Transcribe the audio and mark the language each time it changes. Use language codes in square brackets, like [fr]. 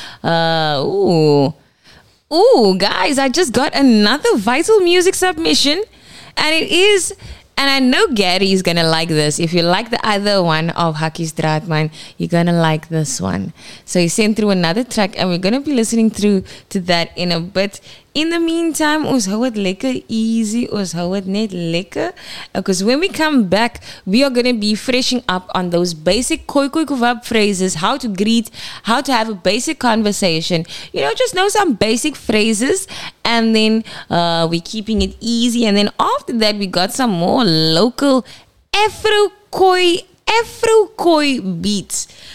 [en] Guys, I just got another vital music submission. And it is And I know Gary's gonna like this. If you like the other one of Hakis Draadman, you're gonna like this one. So he sent through another track, and we're gonna be listening through to that in a bit. [af] In the meantime, ons hou het lekker easy, ons hou het net lekker. [en] Because when we come back, we are gonna be freshing up on those basic koi koi kuvab phrases, how to greet, how to have a basic conversation. You know, just know some basic phrases, and then we're keeping it easy. And then after that, we got some more local Afro-Koi beats.